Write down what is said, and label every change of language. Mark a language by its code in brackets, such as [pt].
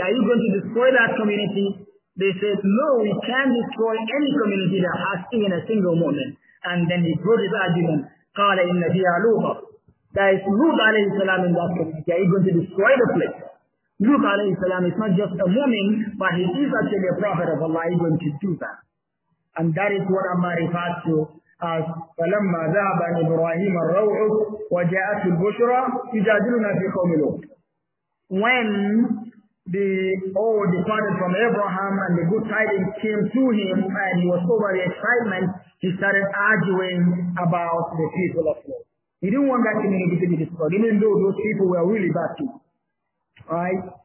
[en] Are you going to destroy that community? They said, no, we can't destroy any community that has even a single woman. And then he brought his argument, [ar] قَالَ إِنَّ فِيهَا لُوطًا. [en] That is Lut alayhi salam in that community. Are you going to destroy the place? Lut alayhi salam is not just a woman, but he is actually a prophet of Allah. Are you going to do that? And that is what Amma refers to as [ar] فَلَمَّا ذَهَبَ إِبْرَاهِيمَ الرَّوْعُ وَجَاءَتِ الْبُشْرَى يُجَادِلُنَا فِي قَوْمِ لُوطٍ. [en] When the all departed from Abraham and the good tidings came to him and he was over the excitement, he started arguing about the people of Lot. He didn't want that community to be destroyed, even though those people were really bad people. Right?